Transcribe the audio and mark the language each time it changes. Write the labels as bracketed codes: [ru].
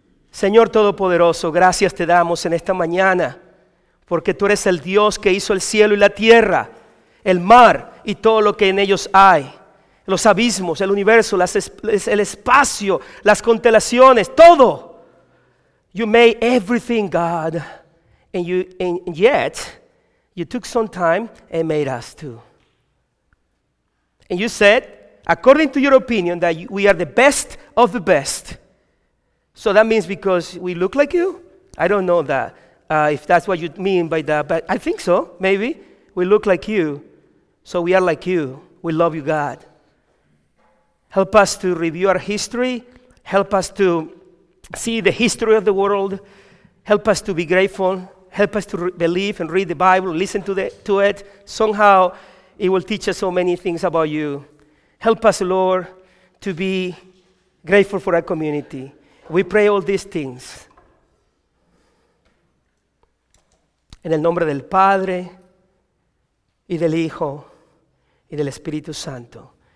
[es] Señor Todopoderoso, gracias te damos en esta mañana. Porque tú eres el Dios que hizo el cielo y la tierra, el mar y todo lo que en ellos hay. Los abismos, el universo, el espacio, las constelaciones, todo. [en] You made everything, God. And yet, you took some time and made us too. And you said, according to your opinion, that we are the best of the best. So that means because we look like you? I don't know that. If that's what you mean by that, but I think so, maybe. We look like you, so we are like you. We love you, God. Help us to review our history. Help us to see the history of the world. Help us to be grateful. Help us to believe and read the Bible, listen to it. Somehow, it will teach us so many things about you. Help us, Lord, to be grateful for our community. We pray all these things. [es] En el nombre del Padre, y del Hijo, y del Espíritu Santo.